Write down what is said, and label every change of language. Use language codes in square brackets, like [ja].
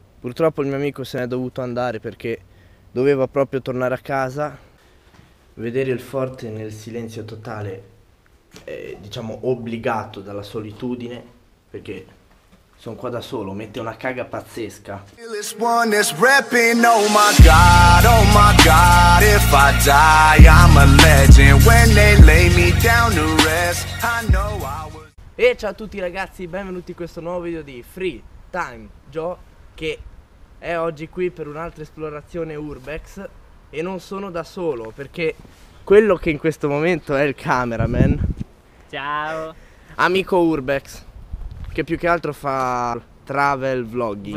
[it] Purtroppo il mio amico se n'è dovuto andare perché doveva proprio tornare a casa. Vedere il forte nel silenzio totale è, diciamo, obbligato dalla solitudine, perché sono qua da solo, mette una caga pazzesca. [en] This one is rapping, oh my god, if I die, I'm a legend. When they lay me down to rest, I know I was... [it] E ciao a tutti ragazzi, benvenuti in questo nuovo video di Free Time Joe, che è oggi qui per un'altra esplorazione urbex. E non sono da solo, perché quello che in questo momento è il cameraman, ciao, amico urbex, che più che altro fa travel vlogging.